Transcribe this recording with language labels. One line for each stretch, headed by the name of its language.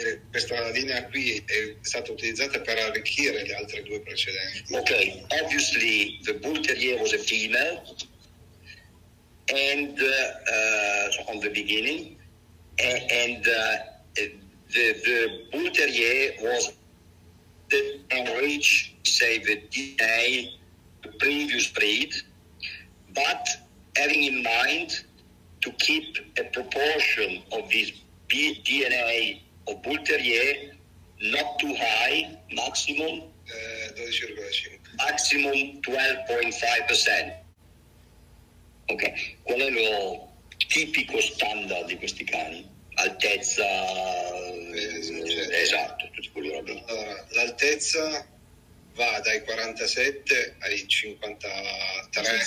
Italian: Questa linea qui è stata utilizzata per arricchire le altre due precedenti.
English: Ok, obviously the Bull Terrier was a female, and on the beginning, and the Bull Terrier was enriched, say the DNA, the previous breed, but having in mind to keep a proportion of this DNA of Bull Terrier not too high, maximum
Italian: 12,5.
English: Maximum 12.5%.
Italian: Ok, qual è lo tipico standard di questi cani? Altezza, esatto, tutti quelli robi. Allora, l'altezza va dai 47 ai 53.